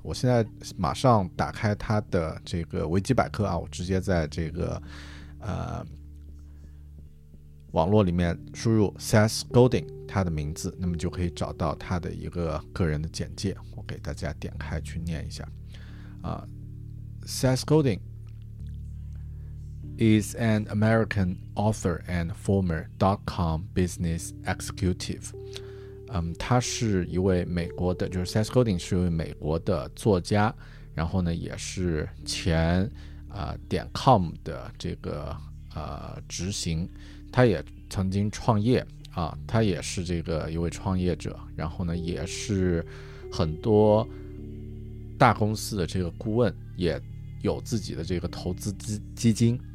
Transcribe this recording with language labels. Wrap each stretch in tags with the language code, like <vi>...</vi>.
<zh>我现在马上打开他的这个维基百科啊，我直接在这个网络里面输入 Seth Godin 他的名字，那么就可以找到他的一个个人的简介，我给大家点开去念一下。</zh> <en>Seth Godin is an American author and former dot-com business executive。</en> <zh>他是一位美国的，就是 Seth Godin 是一位美国的作家，然后呢也是前dot-com 的这个执行，他也曾经创业啊，他也是这个一位创业者，然后呢也是很多大公司的这个顾问，也有自己的这个投资基金。</zh>